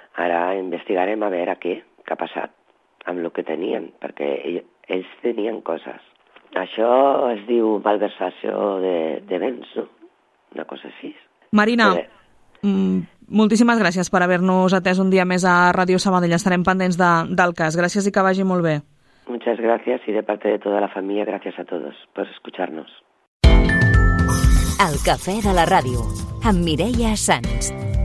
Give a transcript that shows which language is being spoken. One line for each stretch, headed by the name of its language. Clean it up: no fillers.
Catalan: Ara investigarem a veure què ha passat amb el que tenien, perquè ells tenien coses. Això es diu malversació de béns, no? Una cosa així. Marina, moltíssimes gràcies per haver-nos atès un dia més a Ràdio Sabadell. Estarem pendents del cas. Gràcies i que vagi molt bé.
Spanish: Muchas gracias y de parte de toda la familia, gracias a todos por escucharnos.
Catalan: El cafè de la ràdio, amb Mireia Sanz.